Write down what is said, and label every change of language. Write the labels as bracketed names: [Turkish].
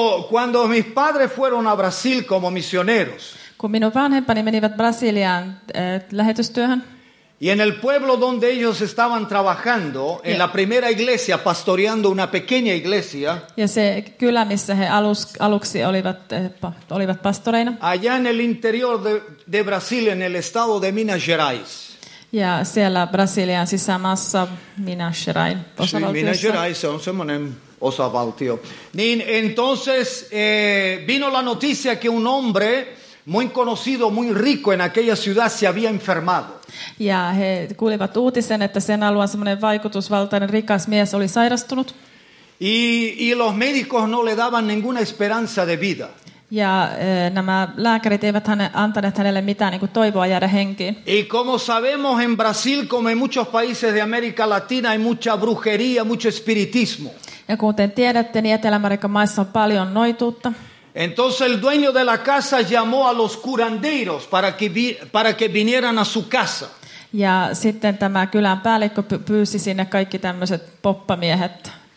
[Spanish] Cuando mis padres fueron a Brasil como misioneros. [Finnish] Kun minun vanhempani menivät Brasiliaan lähetystyöhön. [Spanish] Y en el pueblo donde ellos estaban trabajando, en la primera iglesia, pastoreando una pequeña iglesia. [Finnish] Ja se kylä, missä he aluksi olivat pastoreina. [Spanish] Allá en el interior de Brasil, en el estado de Minas Gerais. [Finnish] Ja siellä Brasilian sisämaassa Minas Gerais osavaltiossa. Minas Gerais on semmoinen osavaltio. [Spanish] Niin, entonces vino la noticia que un hombre muy conocido, muy rico en aquella ciudad se había enfermado. [Finnish] Ja he kuulivat uutisen, että sen alueen semmoinen vaikutusvaltainen rikas mies oli sairastunut. [Spanish] Y los médicos no le daban ninguna esperanza de vida. [Finnish] Ja nämä lääkärit eivät antaneet hänelle mitään niin kuin toivoa jäädä henkiin. [Spanish] Y como sabemos en Brasil, como en muchos países de América Latina, hay mucha brujería, mucho espiritismo. [Finnish] Ja kuten tiedätte, niin Etelä-Amerikan maissa on paljon noituutta. [Spanish] Entonces el dueño de la casa llamó a los curanderos para que vinieran a su casa. [Finnish] Ja sitten tämä kylän päällikkö pyysi sinne kaikki tämmöiset poppamiehet.